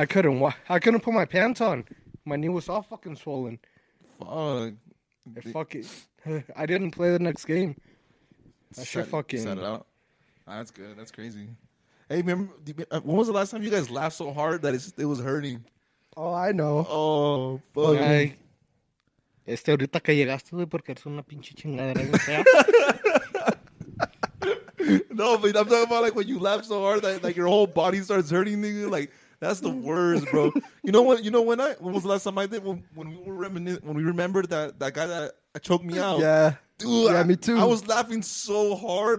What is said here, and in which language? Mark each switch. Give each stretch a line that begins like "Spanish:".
English: I couldn't walk. I couldn't put my pants on. My knee was all fucking swollen. Fuck. Fuck it. I didn't play the next game. I should fucking set it out. That's good. That's crazy. Hey, remember when was the last time you guys laughed so hard that it was hurting? Oh, I know. Oh, fuck. Okay.
Spanish: Este ahorita que llegaste, güey, porque eres una pinche chingadera.
English: No, but I'm talking about like when you laugh so hard that like your whole body starts hurting, nigga. Like that's the worst, bro. You know what? You know when I? When was the last time I did? When we remembered that guy that. Choke me out. Yeah. Dude, yeah, me too. I was laughing so hard.